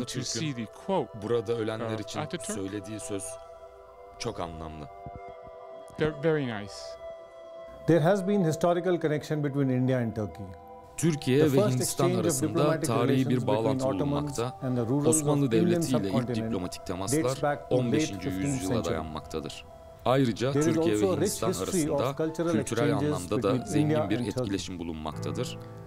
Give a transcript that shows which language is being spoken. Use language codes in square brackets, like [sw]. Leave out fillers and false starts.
[tr] Atatürk'ün burada ölenler için söylediği söz çok anlamlı. [en] Very nice. There has been historical connection between India and Turkey. [tr] Türkiye ve Hindistan arasında tarihi bir bağlantı bulunmakta, Osmanlı Devleti ile ilk diplomatik temaslar 15. yüzyıla dayanmaktadır. Ayrıca Türkiye ve Hindistan arasında kültürel anlamda da zengin bir etkileşim bulunmaktadır.